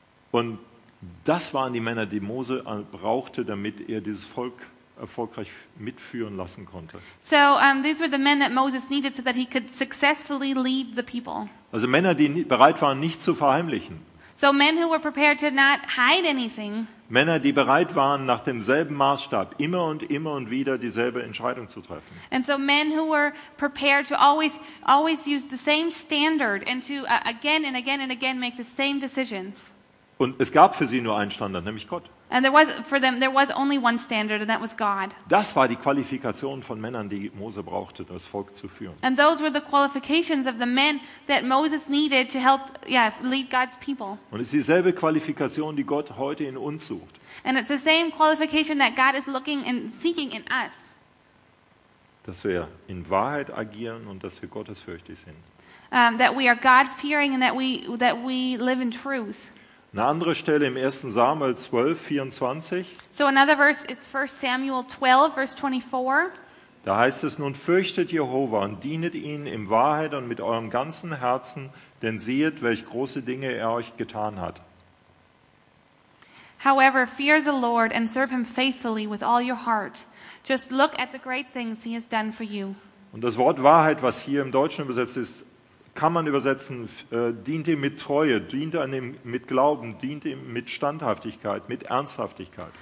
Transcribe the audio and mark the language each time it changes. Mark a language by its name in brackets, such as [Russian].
[German] Und das waren die Männer, die Mose brauchte, damit er dieses Volk erfolgreich mitführen lassen konnte. [English] So these were the men that Moses needed so that he could successfully lead the people. [German] Also Männer, die bereit waren, nichts zu verheimlichen. [English] So men who were prepared to not hide anything. [German] Männer, die bereit waren, nach demselben Maßstab immer und wieder dieselbe Entscheidung zu treffen. [English] And so men who were prepared to always use the same standard and to again and again and again make the same decisions. [German] Und es gab für sie nur einen Standard, nämlich Gott. [English] And there was for them there was only one standard and that was God. [German] Das war die Qualifikation von Männern, die Mose brauchte, das Volk zu führen. [English] And those were the qualifications of the men that Moses needed to help lead God's people. [German] Und es ist dieselbe Qualifikation, die Gott heute in uns sucht. [English] And it's the same qualification that God is looking and seeking in us. [German] Dass wir in Wahrheit agieren und dass wir gottesfürchtig sind. [English] That we are God-fearing and that we live in truth. [German] Eine andere Stelle im 1. Samuel 12, 24. [English] So another verse is 1 Samuel 12, verse 24. [German] Da heißt es, nun fürchtet Jehova und dienet ihn in Wahrheit und mit eurem ganzen Herzen, denn sehet, welch große Dinge er euch getan hat. [English] However, fear the Lord and serve him faithfully with all your heart. Just look at the great things he has done for you. [German] Und das Wort Wahrheit, was hier im Deutschen übersetzt ist, kann man übersetzen, dient ihm mit Treue, dient an ihm mit Glauben, dient ihm mit Standhaftigkeit, mit Ernsthaftigkeit.